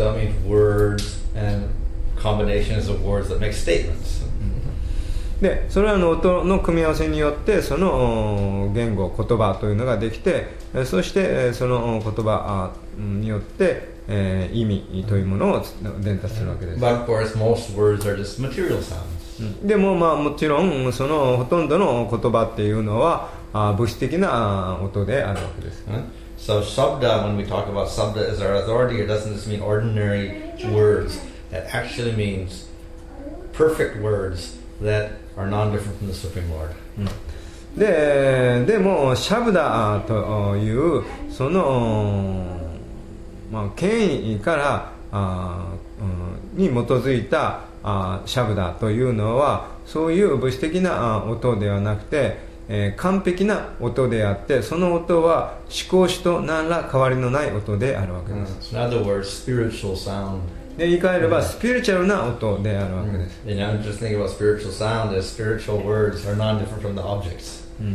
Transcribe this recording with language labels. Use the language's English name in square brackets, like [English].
[English] So that means words and combinations of words that make statements. [Japanese] でそれらの音の組み合わせによってその言語言葉というのができて、そしてその言葉によって意味というものを伝達するわけです。 [English] But of course most words are just material sounds. [Japanese] でもまあもちろんそのほとんどの言葉っていうのは物質的な音であるわけです。 [English] So shabda, when we talk about shabda as our authority, it doesn't just mean ordinary words. That actually means perfect words that are non-different from the Supreme Lord. [Japanese] でもシャブダというそのまあ権威からに基づいたシャブダというのはそういう物質的な音ではなくて完璧な音であって、その音は思考主と何ら変わりのない音であるわけです。 [English] In other words, spiritual sound. [Japanese] で言い換えればスピリチュアルな音であるわけです。 [English] You know, I'm just thinking about spiritual sound as spiritual words are non-different from the objects.